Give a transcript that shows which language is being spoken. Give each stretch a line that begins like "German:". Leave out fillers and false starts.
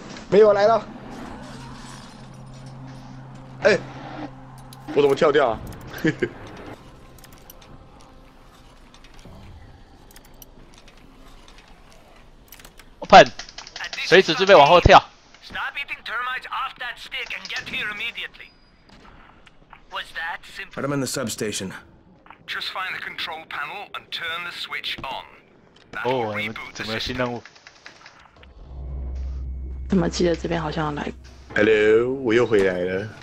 Chinese: 没有来了。哎、欸，我怎么跳掉啊？
English: Open，
Chinese: 随时准备往后跳。
English: Stop eating termites off that stick and get here immediately. Was that simple? Put them in the substation. Just find the control panel and turn the switch on.
Chinese: 哦，你们怎么有新任务？怎么记得这边好像要来？
English: Hello，
Chinese: 我又回来了。